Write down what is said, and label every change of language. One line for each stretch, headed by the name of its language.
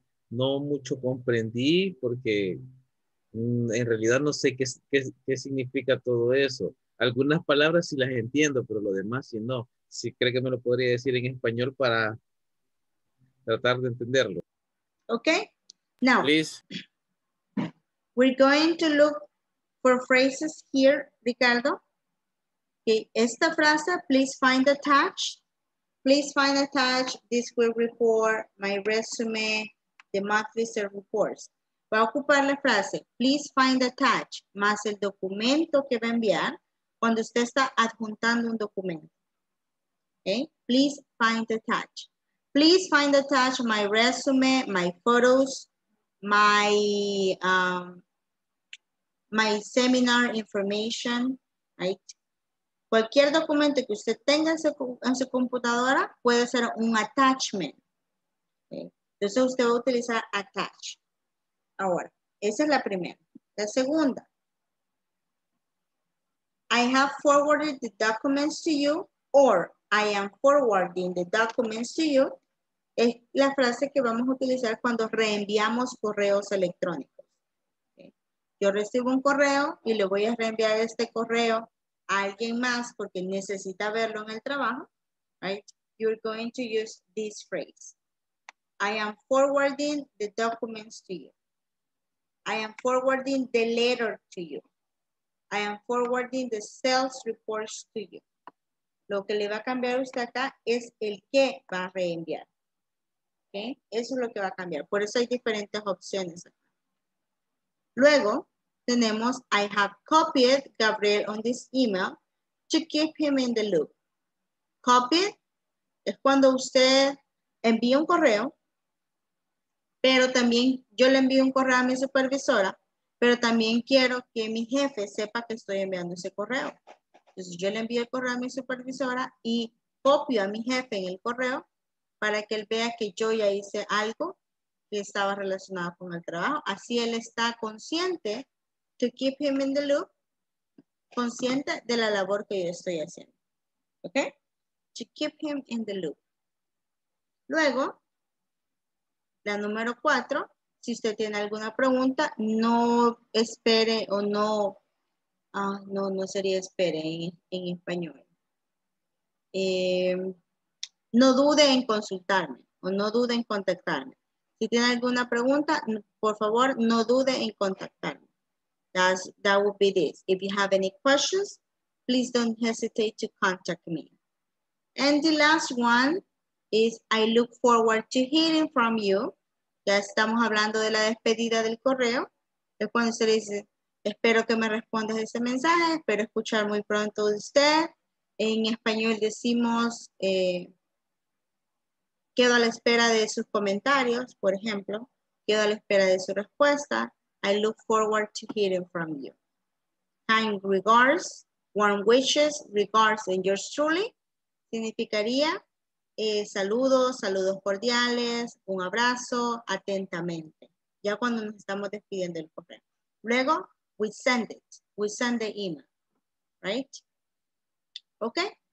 Spanish: No mucho comprendí porque en realidad no sé qué significa todo eso. Algunas palabras sí las entiendo, pero lo demás sí no. Si cree que me lo podría decir en español para tratar de entenderlo.
English: Okay. Now. Please. We're going to look for phrases here, Ricardo.
Spanish: Okay, esta frase,
English: please find attached. Please find attached this will report, my resume, the math research reports.
Spanish: Va a ocupar la frase,
English: please find attached,
Spanish: más el documento que va a enviar cuando usted está adjuntando un documento.
English: Okay, please find attached. Please find attached my resume, my photos, my seminar information, right?
Spanish: Cualquier documento que usted tenga en su computadora puede ser un attachment. Okay. Entonces usted va a utilizar attach. Ahora, esa es la primera. La segunda.
English: I have forwarded the documents to you or I am forwarding the documents to you.
Spanish: Es la frase que vamos a utilizar cuando reenviamos correos electrónicos. Okay. Yo recibo un correo y le voy a reenviar este correo a alguien más porque necesita verlo en el trabajo, right?
English: You're going to use this phrase. I am forwarding the documents to you. I am forwarding the letter to you. I am forwarding the sales reports to you.
Spanish: Lo que le va a cambiar usted acá es el que va a reenviar. Okay? Eso es lo que va a cambiar. Por eso hay diferentes opciones acá. Luego, tenemos,
English: I have copied Gabriel on this email to keep him in the loop.
Spanish: Copied es cuando usted envía un correo, pero también yo le envío un correo a mi supervisora, pero también quiero que mi jefe sepa que estoy enviando ese correo. Entonces yo le envío el correo a mi supervisora y copio a mi jefe en el correo para que él vea que yo ya hice algo que estaba relacionado con el trabajo. Así él está consciente.
English: To keep him in the loop,
Spanish: consciente de la labor que yo estoy haciendo. Okay?
English: To keep him in the loop.
Spanish: Luego, la número cuatro, si usted tiene alguna pregunta, no espere o no, no sería espere en español. No dude en consultarme o no dude en contactarme. Si tiene alguna pregunta, por favor, no dude en contactarme.
English: That would be this. If you have any questions, please don't hesitate to contact me. And the last one is, I look forward to hearing from you.
Spanish: Ya estamos hablando de la despedida del correo. Es cuando se dice, espero que me respondas ese mensaje, espero escuchar muy pronto de usted. En español decimos, quedo a la espera de sus comentarios, por ejemplo. Quedo a la espera de su respuesta.
English: I look forward to hearing from you. Kind regards, warm wishes, regards, and yours truly.
Spanish: Significaría saludos, saludos cordiales, un abrazo, atentamente. Ya cuando nos estamos despidiendo del correo. Luego,
English: we send it. We send the email. Right? Okay?